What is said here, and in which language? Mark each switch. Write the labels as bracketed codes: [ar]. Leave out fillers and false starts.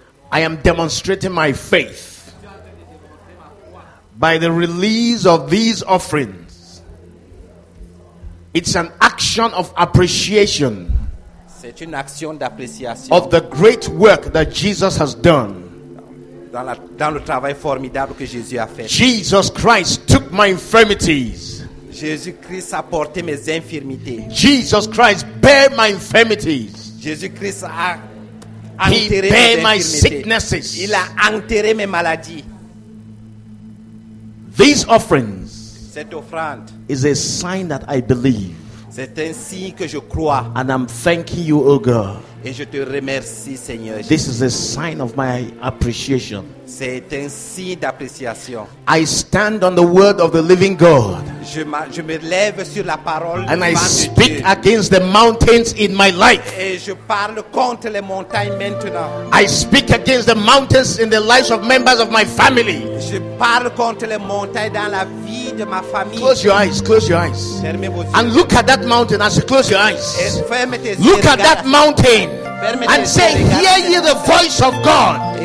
[en] I am demonstrating my faith by the release of these offerings. It's an action of appreciation. [fr] C'est une action d'appréciation [en] of the great work that Jesus has done. [fr] Dans le travail formidable que Jésus a fait. [en] Jesus Christ took my infirmities. [fr] Jésus Christ a porté mes infirmités. [en] Jesus Christ bear my infirmities. [fr] Jésus Christ a enterré mes infirmités. [en] My sicknesses. [fr] Il a enterré mes maladies. [en] These offerings, [fr] cette offrande, [en] is a sign that I believe. [fr] C'est un signe que je crois. [en] And I'm thanking you, O God. [fr] Et je te remercie, Seigneur. [en] This is a sign of my appreciation. [fr] C'est un signe d'appréciation. [en] I stand on the word of the living God. [fr] Je me lève sur la parole. [en] And I speak against the mountains in my life. [fr] Et je parle contre les montagnes maintenant. [en] I speak against the mountains in the lives of members of my family. [fr] Je parle contre les montagnes dans la vie de ma famille. [en] Close your eyes. Close your eyes. [fr] Fermez vos yeux. [en] And look at that mountain as you close your eyes. [fr] Ferme tes yeux. [en] Look at that mountain. And say, hear ye the voice of God.